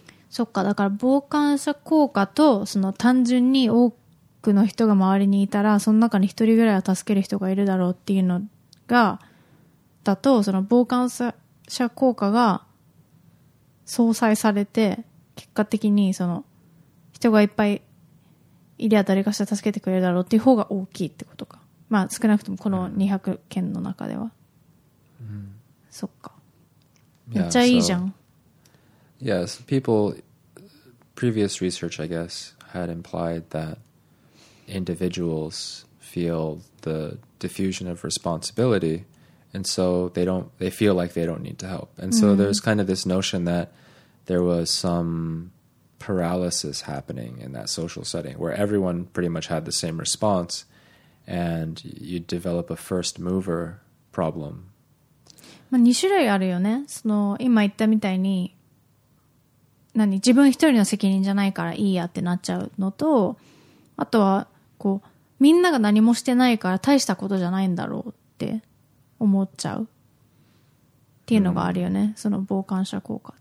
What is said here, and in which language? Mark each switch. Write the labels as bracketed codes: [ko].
[ja] そっか、だから傍観者効果とその単純に多くの人が周りにいたらその中に一人ぐらいは助ける人がいるだろうっていうのがだとその傍観者効果が相殺されて結果的にその人がいっぱいいりゃ誰かしら助けてくれるだろうっていう方が大きいってことか。まあ少なくともこの200件の中では。そっか。めっちゃいいじゃん。 [en] Yes, people, previous research, I guess, had implied that individuals feel the diffusion of responsibility, and so they feel like they don't need to help. And so there's kind of this notion that there was some paralysis happening in that social setting where everyone pretty much had the same response, and you develop a first mover problem. [ja] まあ、2種類あるよね。その今言ったみたいに何自分一人の責任じゃないからいいやってなっちゃうのと、あとはこうみんなが何もしてないから大したことじゃないんだろうって思っちゃうっていうのがあるよね、うん、その傍観者効果。